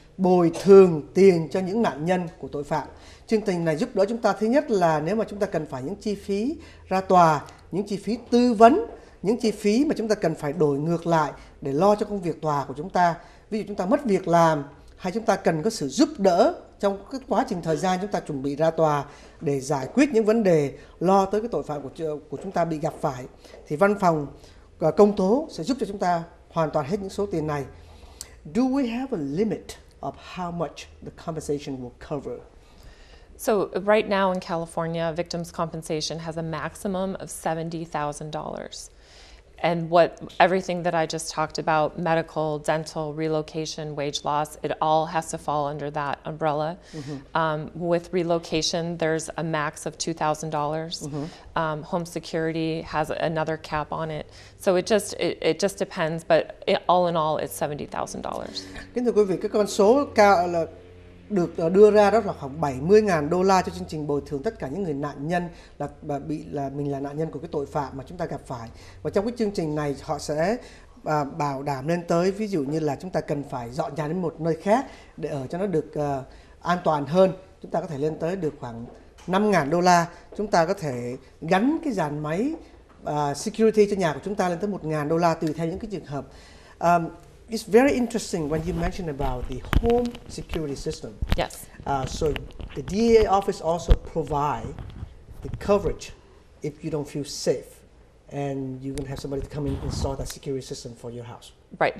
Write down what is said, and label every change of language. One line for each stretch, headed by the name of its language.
Vietnamese: bồi thường tiền cho những nạn nhân của tội phạm. Chương trình này giúp đỡ chúng ta, thứ nhất là nếu mà chúng ta cần phải những chi phí ra tòa, những chi phí tư vấn, những chi phí mà chúng ta cần phải đổi ngược lại để lo cho công việc tòa của chúng ta. Ví dụ chúng ta mất việc làm hay chúng ta cần có sự giúp đỡ trong cái quá trình thời gian chúng ta chuẩn bị ra tòa để giải quyết những vấn đề lo tới cái tội phạm của chúng ta bị gặp phải, thì văn phòng công tố sẽ giúp cho chúng ta hoàn toàn hết những số tiền này.
English: Do we have a limit of how much the compensation will cover? So right now in California, victims' compensation has a maximum of $70,000. And what everything that I just talked about, medical, dental, relocation, wage loss, it all has to fall under that umbrella. Mm-hmm. With relocation, there's a max of $2,000. Mm-hmm. Home security has another cap on it. So it just depends, but all in all, it's $70,000.
Vietnamese: Kính thưa quý vị, cái con số cao là được đưa ra đó là khoảng 70.000 đô la cho chương trình bồi thường tất cả những người nạn nhân là nạn nhân của cái tội phạm mà chúng ta gặp phải. Và trong cái chương trình này họ sẽ bảo đảm lên tới ví dụ như là chúng ta cần phải dọn nhà đến một nơi khác để ở cho nó được an toàn hơn, chúng ta có thể lên tới được khoảng 5.000 đô la. Chúng ta có thể gắn cái dàn máy security cho nhà của chúng ta lên tới 1.000 đô la tùy theo những cái trường hợp.
English: It's very interesting when you mentioned about the home security system. Yes. So the DEA office also provide the coverage if you don't feel safe and you're going to have somebody to come in and install that security system for your house. Right.